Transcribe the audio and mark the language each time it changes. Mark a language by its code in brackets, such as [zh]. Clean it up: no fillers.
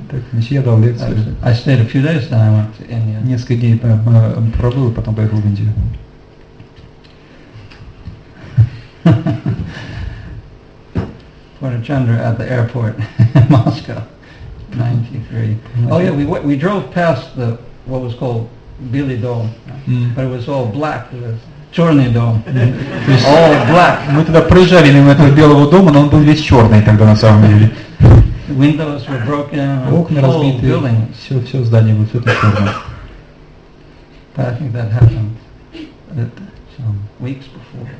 [en] I stayed a few days, then I went to India. [ru] Несколько дней пробыл, потом поехал в Индию. [en] Purnachandra at the airport in Moscow, 93. Oh yeah, we drove past the what was called Billy Dome, but it was all black. It was [ru] Черный дом. [en] All black. [ru] Мы тогда проезжали мимо этого белого дома, но он был весь черный тогда на самом деле. [en] Windows were broken. [ru] Окна разбиты. Все здание было все такое. [en] But I think that happened weeks before.